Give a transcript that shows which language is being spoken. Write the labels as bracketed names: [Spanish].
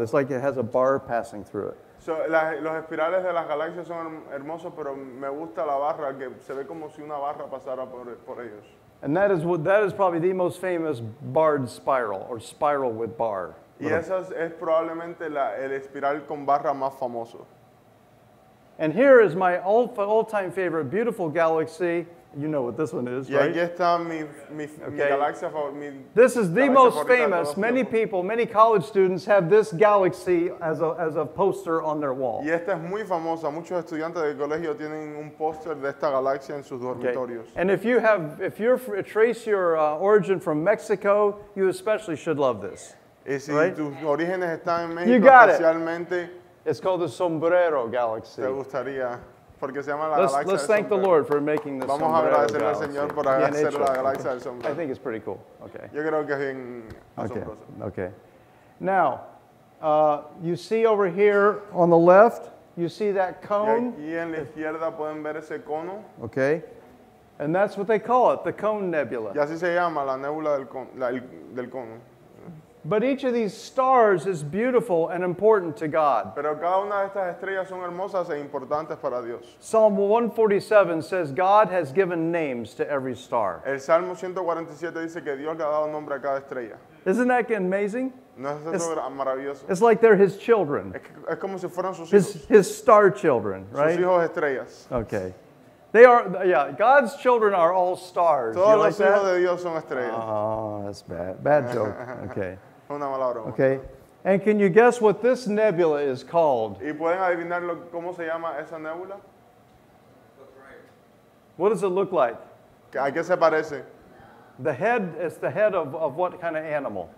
[English] It's like it has a bar passing through it. [Spanish] So los espirales de las galaxias son hermosos, pero me gusta la barra que se ve como si una barra pasara por ellos. [English] And that is probably the most famous barred spiral or spiral with bar. [Spanish] Y esa es probablemente el espiral con barra más famoso. [English] And here is my all-time favorite beautiful galaxy. You know what this one is, [Spanish] right? Aquí está mi galaxia favorita. [English] This is the most famous. Many people, many college students have this galaxy as a poster on their wall. [Spanish] Y esta es muy famosa. Muchos estudiantes de colegio tienen un póster de esta galaxia en sus dormitorios. [English] And if you trace your origin from Mexico, you especially should love this. [Spanish] Y si tus orígenes están en México, especialmente. [English] It's called the Sombrero Galaxy. [Spanish] Te gustaría. [English] Let's thank the Lord for making this [Spanish] Vamos a agradecerle al Señor por hacer la galaxia del sombrero. [English] I think it's pretty cool. Okay. [Spanish] Yo creo que es bien asombroso. Okay. [English] Now, you see over here on the left, you see that cone. [Spanish] Y aquí en la izquierda pueden ver ese cono. [English] Okay. And that's what they call it, the cone nebula. [Spanish] Y así se llama la nebula del cono. [English] But each of these stars is beautiful and important to God. [Spanish] Pero cada una de estas estrellas son hermosas e importantes para Dios. [English] Psalm 147 says God has given names to every star. [Spanish] El Salmo 147 dice que Dios le ha dado nombre a cada estrella. [English] Isn't that amazing? [Spanish] No es eso maravilloso. [English] It's like they're his children. [Spanish] Es como si fueran sus hijos. [English] His star children, right? [Spanish] Sus hijos estrellas. [English] Okay. They are, yeah, God's children are all stars. [Spanish] Todos los hijos de Dios son estrellas. [English] Oh, that's bad. Bad joke. Okay. [Spanish] Una mala broma. [English] Okay. And can you guess what this nebula is called? [Spanish] ¿Y pueden adivinar cómo se llama esa nebula? [English] What does it look like? [Spanish] ¿A qué se parece? [English] The head is the head of what kind of animal?